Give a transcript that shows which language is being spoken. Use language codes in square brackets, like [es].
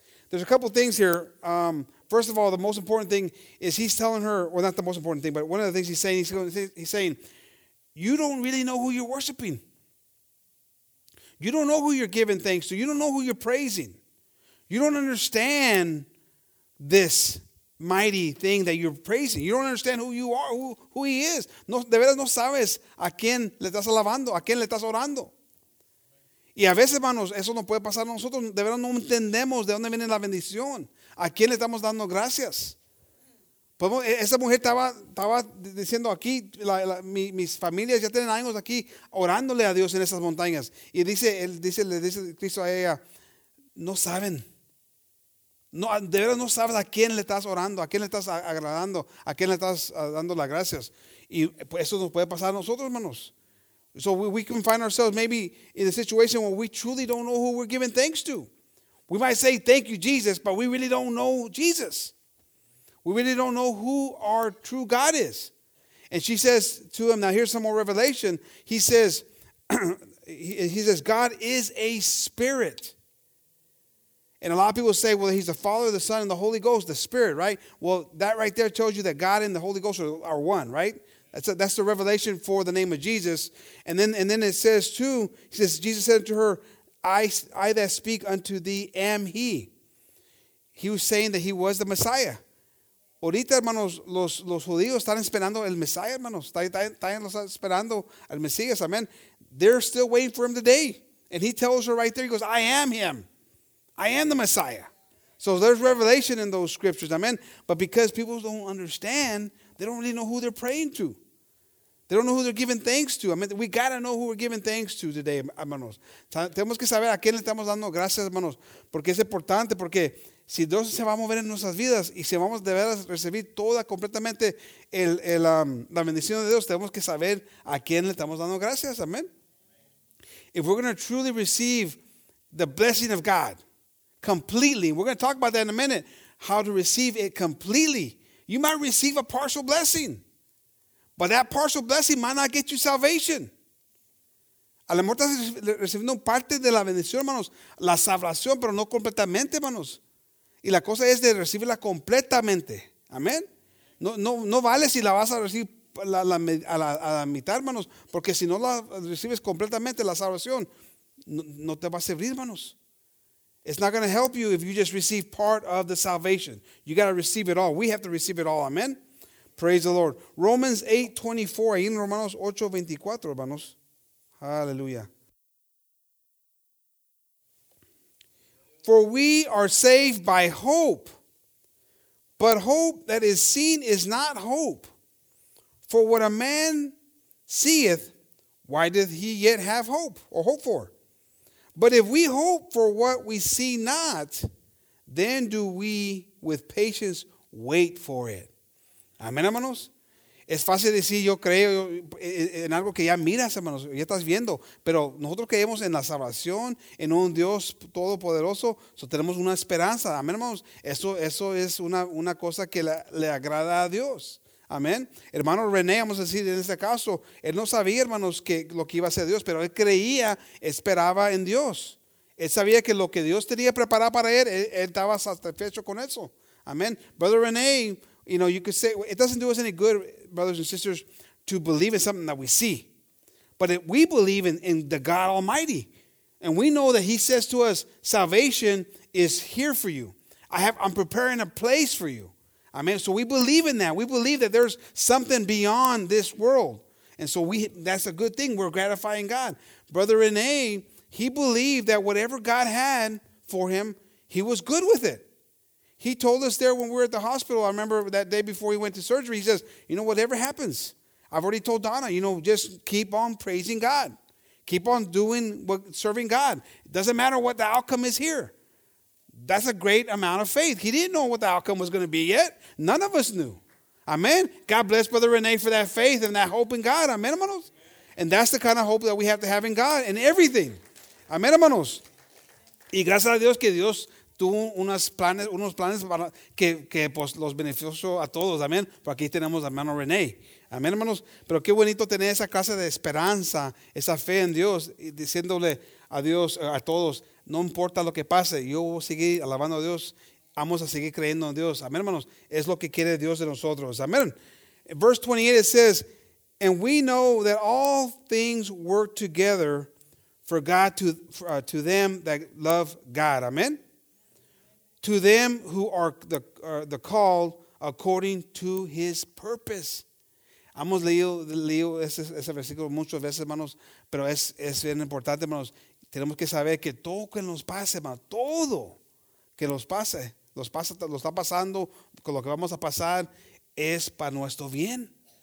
[en] There's a couple things here. First of all, the most important thing is he's telling her, well, not the most important thing, but one of the things he's saying, you don't really know who you're worshiping. You don't know who you're giving thanks to. You don't know who you're praising. You don't understand this mighty thing that you're praising. You don't understand who you are, who he is. [es] No, de veras no sabes a quién le estás alabando, a quién le estás orando. Y a veces, hermanos, eso no puede pasar a nosotros. De veras no entendemos de dónde viene la bendición. ¿A quién le estamos dando gracias? Podemos, esa mujer estaba diciendo aquí, mis familias ya tienen años aquí orándole a Dios en esas montañas. Y le dice Cristo a ella, no saben. No, de verdad no sabes a quién le estás orando, a quién le estás agradando, a quién le estás dando las gracias. Y eso nos puede pasar a nosotros, hermanos. [en] So we can find ourselves maybe in a situation where we truly don't know who we're giving thanks to. We might say, thank you, Jesus, but we really don't know Jesus. We really don't know who our true God is. And she says to him, now here's some more revelation. He says, he says, God is a spirit. And a lot of people say, well, he's the Father, the Son, and the Holy Ghost, the Spirit, right? Well, that right there tells you that God and the Holy Ghost are one, right? That's the revelation for the name of Jesus. And then it says too, he says, Jesus said to her, I that speak unto thee am he. He was saying that he was the Messiah. [es] Ahorita, hermanos, los judíos están esperando el Mesías, hermanos. Están esperando al Mesías, amen. [en] They're still waiting for him today. And he tells her right there, he goes, I am him. I am the Messiah. So there's revelation in those scriptures, amen. But because people don't understand, they don't really know who they're praying to. They don't know who they're giving thanks to. I mean, we got to know who we're giving thanks to today, hermanos. [es] Tenemos que saber a quién le estamos dando gracias, hermanos. Porque es importante, porque si Dios se va a mover en nuestras vidas y si vamos de veras recibir toda completamente la bendición de Dios, tenemos que saber a quién le estamos dando gracias. Amen. [en] If we're going to truly receive the blessing of God completely, we're going to talk about that in a minute, how to receive it completely. You might receive a partial blessing. But that partial blessing might not get you salvation. [es] A lo mejor estás recibiendo parte de la bendición, hermanos. La salvación, pero no completamente, hermanos. Y la cosa es de recibirla completamente. Amén. No vale si la vas a recibir a la mitad, hermanos. Porque si no la recibes completamente, la salvación, no te va a servir, hermanos. [en] It's not going to help you if you just receive part of the salvation. You got to receive it all. We have to receive it all. Amen. Praise the Lord. [es] Romans 8:24. Ahí en Romanos 8:24, hermanos. Hallelujah. [en] For we are saved by hope, but hope that is seen is not hope. For what a man seeth, why doth he yet have hope or hope for? But if we hope for what we see not, then do we with patience wait for it. [es] Amén, hermanos. Es fácil decir yo creo en algo que ya miras, hermanos, ya estás viendo. Pero nosotros creemos en la salvación, en un Dios todopoderoso. So tenemos una esperanza. Amén, hermanos. Eso es una cosa que le agrada a Dios. Amén. Hermano René, vamos a decir en este caso, él no sabía, hermanos, que lo que iba a hacer Dios, pero él creía, esperaba en Dios. Él sabía que lo que Dios tenía preparado para él, él estaba satisfecho con eso. Amén. [en] Brother René, you know, you could say, it doesn't do us any good, brothers and sisters, to believe in something that we see. But we believe in the God Almighty. And we know that he says to us, salvation is here for you. I'm preparing a place for you. Amen. So we believe in that. We believe that there's something beyond this world. And so that's a good thing. We're gratifying God. Brother Rene, he believed that whatever God had for him, he was good with it. He told us there when we were at the hospital, I remember that day before he went to surgery, he says, you know, whatever happens, I've already told Donna, you know, just keep on praising God. Keep on doing what serving God. It doesn't matter what the outcome is here. That's a great amount of faith. He didn't know what the outcome was going to be yet. None of us knew. Amen. God bless Brother Rene for that faith and that hope in God. Amen, hermanos. And that's the kind of hope that we have to have in God and everything. Amen, hermanos. [es] Y gracias a Dios que Dios tuvo unos planes para que pues los beneficio a todos. Amen. Por aquí tenemos a hermano Rene. Amen, hermanos. Pero qué bonito tener esa clase de esperanza, esa fe en Dios, y diciéndole a Dios, a todos, no importa lo que pase, yo voy a seguir alabando a Dios. Vamos a seguir creyendo en Dios. Amén, hermanos. Es lo que quiere Dios de nosotros. Amén. [en] Verse 28, it says, and we know that all things work together for God to them that love God. Amén. To them who are the called according to his purpose. [es] Hemos leído ese versículo muchas veces, hermanos, pero es bien importante, hermanos. Tenemos que saber que todo que nos pase, hermano, todo que nos pase, lo está pasando, con lo que vamos a pasar, es para nuestro bien.